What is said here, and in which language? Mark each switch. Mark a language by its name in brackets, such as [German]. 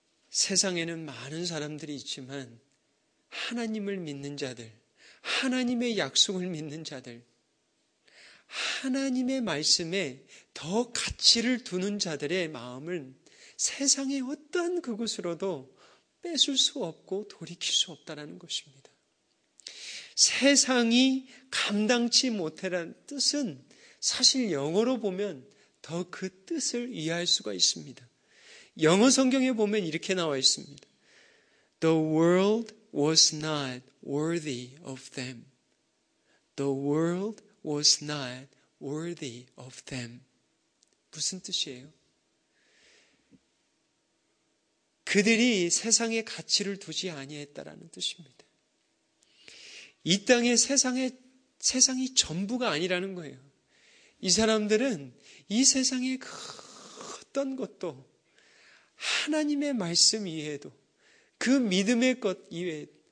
[Korean] 세상에는 많은 사람들이 있지만 하나님을 믿는 자들, 하나님의 약속을 믿는 자들, 하나님의 말씀에 더 가치를 두는 자들의 마음은 세상의 어떠한 그곳으로도 뺏을 수 없고 돌이킬 수 없다라는 것입니다. 세상이 감당치 못해라는 뜻은 사실 영어로 보면 더 그 뜻을 이해할 수가 있습니다. 영어 성경에 보면 이렇게 나와 있습니다. [English] The world was not worthy of them. The world was not worthy of them. [Korean] 무슨 뜻이에요? 그들이 세상의 가치를 두지 아니했다라는 뜻입니다. 이 땅의 세상이 전부가 아니라는 거예요. 이 사람들은 이 세상의 그 어떤 것도 하나님의 말씀 이외에도 그 믿음의 것 이외에